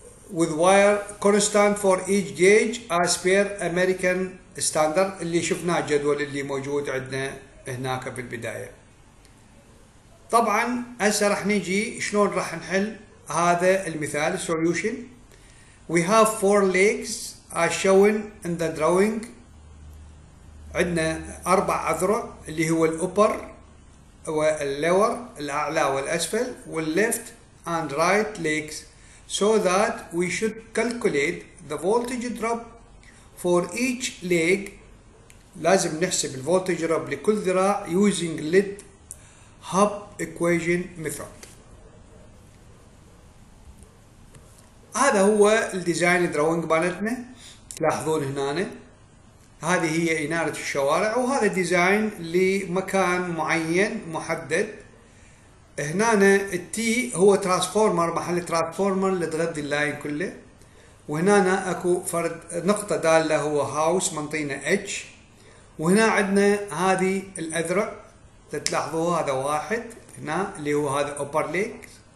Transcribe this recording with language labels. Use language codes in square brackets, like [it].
[en] With wire constant for each gauge as per American standard [ar] اللي شفناه الجدول اللي موجود عندنا هناك في البداية. طبعا هسه راح نجي شلون راح نحل هذا المثال solution. [en] We have four legs as shown in the drawing. [ar] عندنا أربع أذرع اللي هو الأوبر واللور الأعلى والأسفل والليفت [en] and right legs, so that we should calculate the voltage drop for each leg. [ar] لازم نحسب الفولتج drop لكل ذراع [en] using lead hub equation method. [ar] هذا هو الديزاين drawing مالتنا. تلاحظون هنا هذه هي إنارة الشوارع, وهذا ديزاين لمكان معين محدد. هنا التي هو ترانسفورمر, محل ترانسفورمر اللي تغذي اللاين كله, وهنا اكو فرد نقطة دالة هو هاوس منطينا اتش, وهنا عندنا هذه الأذرع تلاحظوها, هذا واحد هنا اللي هو هذا اوبر ليكس,